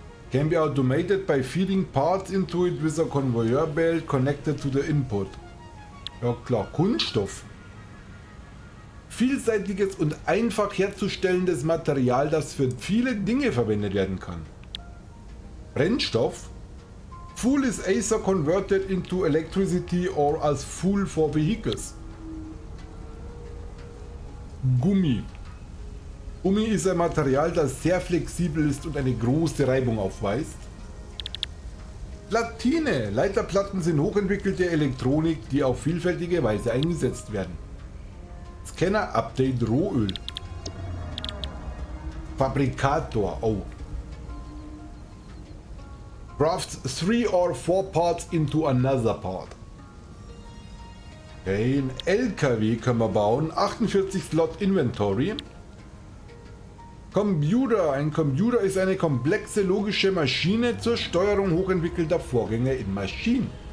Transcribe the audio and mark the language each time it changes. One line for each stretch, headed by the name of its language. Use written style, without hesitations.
English: Can be automated by feeding parts into it with a conveyor belt connected to the input.
German: Ja klar, Kunststoff. Vielseitiges und einfach herzustellendes Material, das für viele Dinge verwendet werden kann. Brennstoff.
English: Fuel is either converted into electricity or as fuel for vehicles.
German: Gummi. Gummi ist ein Material, das sehr flexibel ist und eine große Reibung aufweist. Platine. Leiterplatten sind hochentwickelte Elektronik, die auf vielfältige Weise eingesetzt werden. Scanner Update Rohöl. Fabrikator. Oh.
English: Crafts three or four parts into another part.
German: Okay, ein LKW können wir bauen.
English: 48 Slot Inventory.
German: Computer. Ein Computer ist eine komplexe logische Maschine zur Steuerung hochentwickelter Vorgänge in Maschinen.